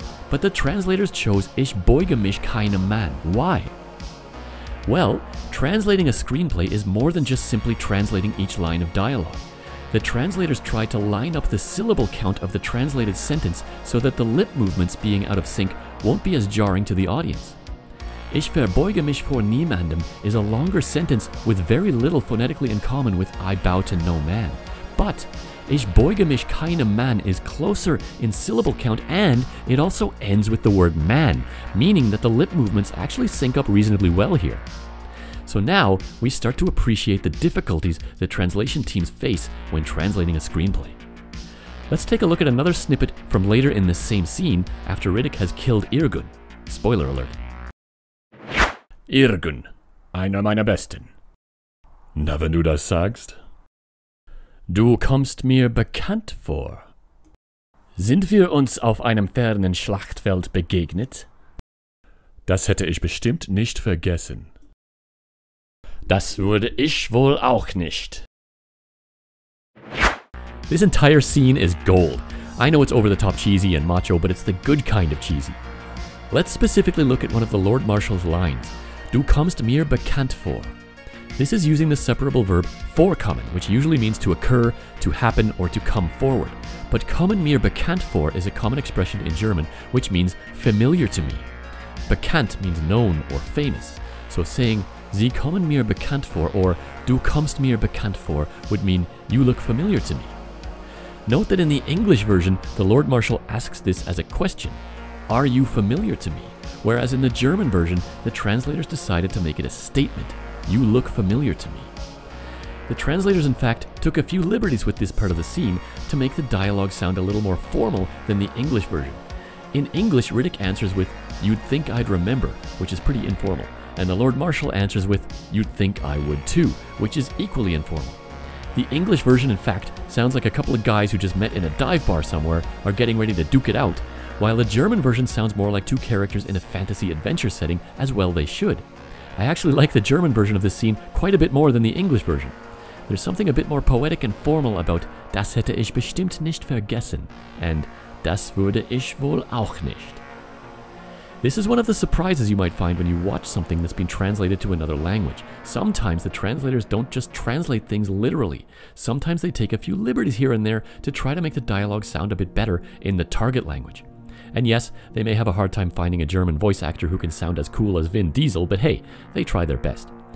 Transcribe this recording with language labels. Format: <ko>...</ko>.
<en>But the translators chose</en> <de>"Ich beuge mich keinem Mann."</de> <en>Why? Well, translating a screenplay is more than just simply translating each line of dialogue. The translators try to line up the syllable count of the translated sentence so that the lip movements being out of sync won't be as jarring to the audience.</en> <de>"Ich verbeuge mich vor niemandem"</de> <en>is a longer sentence with very little phonetically in common with "I bow to no man." But</en> <de>"Ich beuge mich keinem Mann"</de> <en>is closer in syllable count and it also ends with the word "man," meaning that the lip movements actually sync up reasonably well here. So now we start to appreciate the difficulties the translation teams face when translating a screenplay. Let's take a look at another snippet from later in this same scene after Riddick has killed Irgun. Spoiler alert.</en> <de>Irgun, einer meiner Besten. Na, wenn du das sagst. Du kommst mir bekannt vor. Sind wir uns auf einem fernen Schlachtfeld begegnet? Das hätte ich bestimmt nicht vergessen. Das würde ich wohl auch nicht.</de> <en>This entire scene is gold. I know it's over-the-top cheesy and macho, but it's the good kind of cheesy. Let's specifically look at one of the Lord Marshal's lines.</en> <de>Du kommst mir bekannt vor.</de> <en>This is using the separable verb vorkommen, which usually means to occur, to happen, or to come forward. But</en> <de>kommen mir bekannt vor</de> <en>is a common expression in German, which means familiar to me. Bekannt means known or famous. So saying</en> <de>Sie kommen mir bekannt vor</de> <en>or</en> <de>Du kommst mir bekannt vor</de> <en>would mean you look familiar to me. Note that in the English version, the Lord Marshal asks this as a question. Are you familiar to me? Whereas in the German version, the translators decided to make it a statement. You look familiar to me. The translators, in fact, took a few liberties with this part of the scene to make the dialogue sound a little more formal than the English version. In English, Riddick answers with, "You'd think I'd remember," which is pretty informal. And the Lord Marshal answers with, "You'd think I would too," which is equally informal. The English version, in fact, sounds like a couple of guys who just met in a dive bar somewhere are getting ready to duke it out, while the German version sounds more like two characters in a fantasy adventure setting, as well they should. I actually like the German version of this scene quite a bit more than the English version. There's something a bit more poetic and formal about</en> <de>das hätte ich bestimmt nicht vergessen and das würde ich wohl auch nicht.</de> <en>This is one of the surprises you might find when you watch something that's been translated to another language. Sometimes the translators don't just translate things literally. Sometimes they take a few liberties here and there to try to make the dialogue sound a bit better in the target language. And yes, they may have a hard time finding a German voice actor who can sound as cool as Vin Diesel, but hey, they try their best.</en>